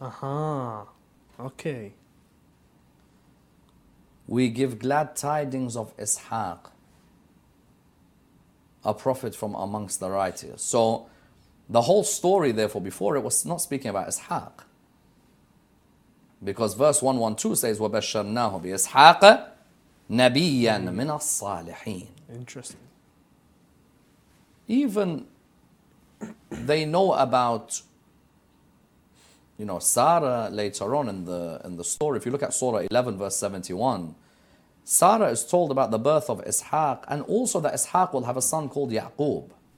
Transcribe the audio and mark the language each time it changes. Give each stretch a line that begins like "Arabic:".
English: Aha, okay. We give glad tidings of Ishaq, a prophet from amongst the righteous. So the whole story, therefore, before it was not speaking about Ishaq. Because verse 112 says,
Arabic: وَبَشَّرْنَاهُ بِإِسْحَاقَ نَبِيًّا مِنَ الصَّالِحِينَ.
English: Interesting. Even they know about, you know, Sarah later on in the story. If you look at Surah 11, verse 71, Sarah is told about the birth of Ishaq, and also that Ishaq will have a son called Ya'qub.